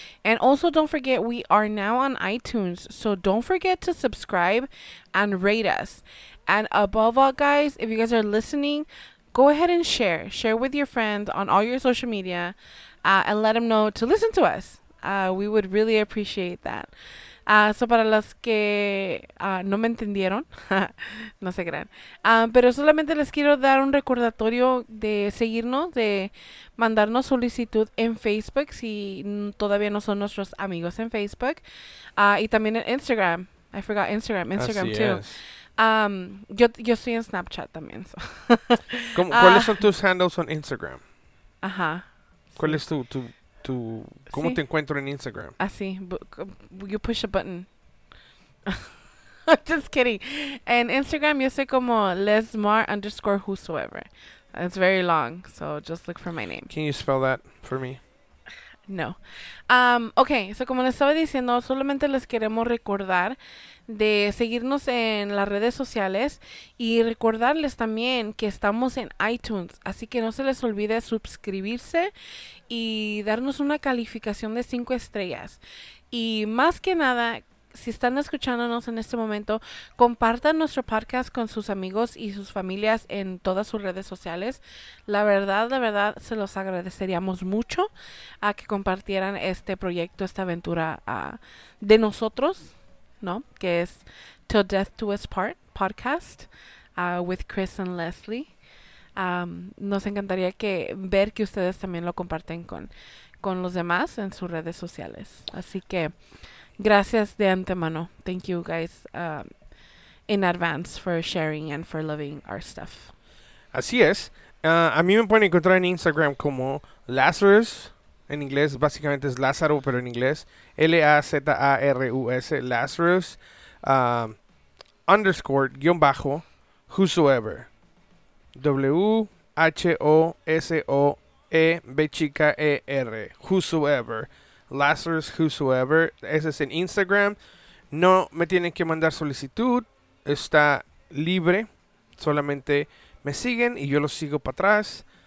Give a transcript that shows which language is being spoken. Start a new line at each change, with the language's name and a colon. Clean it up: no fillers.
English: And also don't forget we are now on iTunes. So don't forget to subscribe and rate us. And above all, guys, if you guys are listening, go ahead and share. Share with your friends on all your social media and let them know to listen to us. We would really appreciate that.
Spanish: So para los que no me entendieron, no se crean. Pero solamente les quiero dar un recordatorio de seguirnos, de mandarnos solicitud en Facebook si todavía no son nuestros amigos en Facebook. Y también en Instagram.
English: I forgot Instagram.
Spanish: Instagram, así
English: too.
Spanish: Es. Yo estoy en Snapchat también. So. ¿Cuáles son tus
English: handles on Instagram? Ajá.
Spanish: ¿Cuál sí. es tu cómo sí. te encuentro en Instagram?
English: Así, you push a button. Just kidding. En Instagram yo soy como lesmar_whosoever. It's very long, so just look for my name. Can you spell that for me? No.
Spanish: Okay, so como les estaba diciendo, solamente les queremos recordar de seguirnos en las redes sociales y recordarles también que estamos en iTunes, así que no se les olvide suscribirse y darnos una calificación de 5 estrellas. Y más que nada, si están escuchándonos en este momento, compartan nuestro podcast con sus amigos y sus familias en todas sus redes sociales. La verdad, se los agradeceríamos mucho a que compartieran este proyecto, esta aventura de nosotros, ¿no? Que es Till Death Do Us Part podcast with Chris and Leslie. Nos encantaría que ver que ustedes también lo comparten con los demás en sus redes sociales. Así que Gracias de antemano.
English: Thank you guys in advance for sharing and for loving our stuff.
Spanish: Así es. A mí me pueden encontrar en Instagram como Lazarus, en inglés, básicamente es Lázaro, pero en inglés, Lazarus, Lazarus, underscore, guión bajo, whosoever, WHOSOEBCHER, whosoever, Lazarus, whosoever, ese es en Instagram, no me tienen que mandar solicitud, está libre, solamente me siguen y yo los sigo para atrás.